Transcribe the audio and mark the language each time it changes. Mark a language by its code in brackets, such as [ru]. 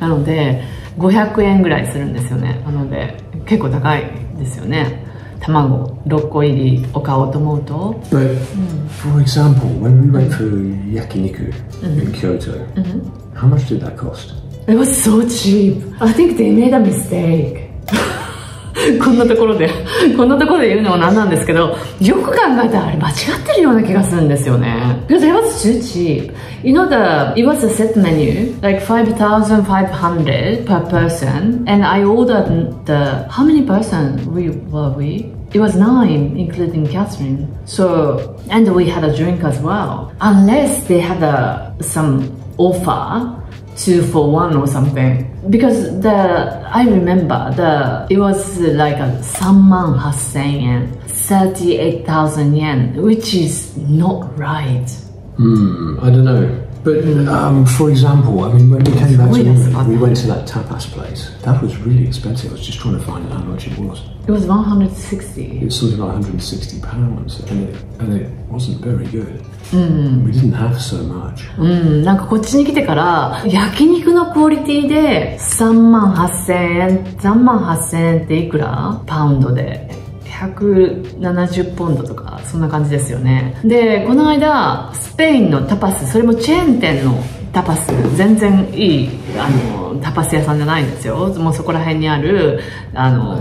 [ja] なので500円ぐらいするんですよね。なので結構高いですよね。卵6個入りを買おうと思うと [en] But, for example, when we went for yakiniku in Kyoto, how much did that cost? It was so cheap. I think they made a mistake. [ja] こんなところで言うのもなんなんですけど、よく考えたらあれ間違ってるような気がするんですよね。 [en] Because it was too cheap. You know the it was a set menu like 5,500 per person, and I ordered the how many person were we? It was 9, including Catherine. So and we had a drink as well. Unless they had some offer. 2-for-1 or something. Because I remember it was like a 38,000 yen, 38,000 yen, which is not right. I don't know. But for example, I mean, when we came back to England, we went to that tapas place. That was really expensive. I was just trying to find out how much it was. It was 160. It was something like £160, and it wasn't very good. We didn't have so much. [ja] なんかこっちに来てから焼肉のクオリティで38,000円っていくらパウンドで 170ポンドとかそんな感じですよね。でこの間スペインのタパス、それもチェーン店のタパス、全然いいあのタパス屋さんじゃないんですよ、もうそこら辺にあるあの